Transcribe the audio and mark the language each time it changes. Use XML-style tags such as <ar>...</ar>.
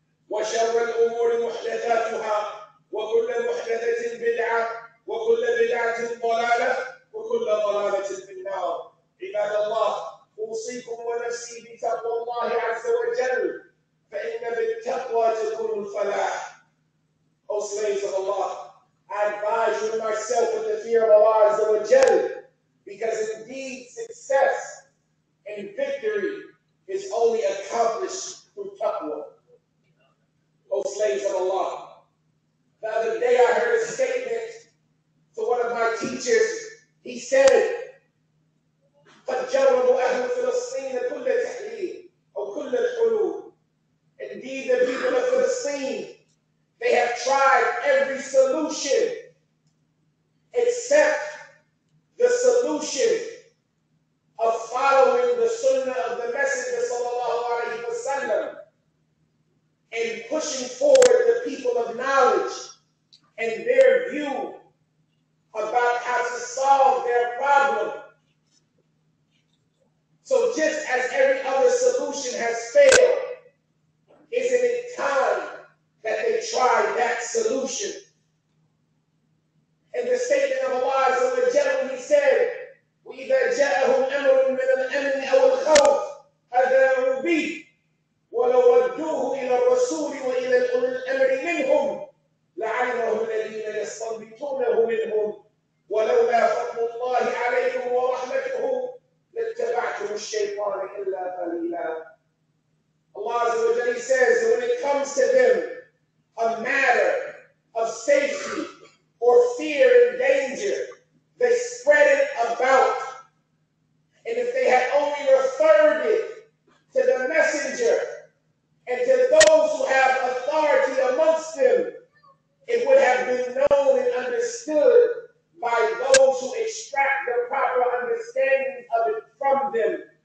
<ar>وشر الامور محدثاتها وكل محدثه بدعه وكل بدعه ضلاله وكل ضلاله في النار عباد الله اوصيكم ونفسي بتقوى الله عز وجل فإن بالتقوى تكون الفلاح.</ar> <en>O slaves of Allah, I advise you and myself with the fear of Allah Azza wa Jal, because indeed success and victory is only accomplished through taqwa. O slaves of Allah, the other day I heard a statement to one of my teachers. He said,</en> <ar>فَجَرَّبُ أَهْلُ فِلَسْطِينَ كُلَّ تَحْلِيلٍ وَكُلَّ الْحُلُوبِ.</ar> <en>Indeed, the people of Palestine, they have tried every solution except the solution of following the Sunnah of the Messenger sallallahu alaihi wasallam and pushing forward the people of knowledge and their view about how to solve their problem. So just as every other solution has failed, isn't it time that they try that solution? In the statement of Allah Azza wa Jalla, he said,</en> <ar>وَإِذَا جَاءَهُمْ أَمْرٌ مِنَ الْأَمْنِ أَوَ الْخَوْفِ أَذَاعُوا بِهِ وَلَوْ رَدُّوهُ إِلَى الرَّسُولِ وَإِلَى أُولِي الْأَمْرِ مِنْهُمْ لَعَلِمَهُ الَّذِينَ يَسْتَنْبِطُونَهُ مِنْهُمْ وَلَوْلَا فَضْلُ اللَّهِ عَلَيْكُمْ وَرَحْمَتُهُ لَاتَّبَعْتُمُ الشَّيْطَانَ إِلَّا قَلِيلًا.</ar> <en>Allah says that when it comes to them, a matter of safety or fear and danger, they spread it about. And if they had only referred it to the messenger and to those who have authority amongst them, it would have been known and understood by those who extract the proper understanding of it from them.</en>